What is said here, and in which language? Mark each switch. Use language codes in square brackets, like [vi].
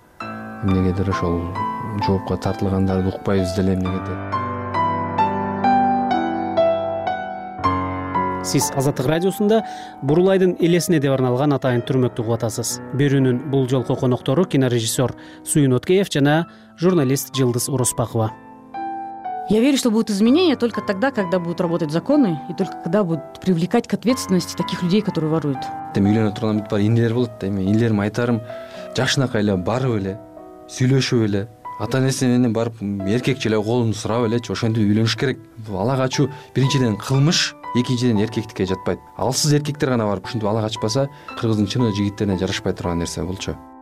[ky] Эмнегедир ошол жоопко тартылгандарды укпайбыз деле эмнегедир. Сиз Азаттык радиосунда Бурлайдын элесине деп арналган атайын түрмөктү угуп атасыз. Берүүнүн бул жолку коноктору кинорежиссер Сүйүн Уткеев жана журналист Жылдыз Оросбакова. [ru] Я верю, что будут изменения только тогда, когда будут работать законы и только когда будут привлекать к ответственности таких людей, которые воруют. [ky] Эми үйлөнө турган бүт бар индилер болот да, эми индилерим айтарым, жашынакай эле барып эле сүйлөшүп эле ата энеси менен барып эркекче эле колун сурап элечи, ошентип үйлөнүш керек. Бул ала качуу биринчиден кылмыш, экинчиден эркектикке жатпайт. Алсыз эркектер гана барып ушинтип ала качпаса, кыргыздын чын эле жигиттерине жарашпай турган нерсе болчу.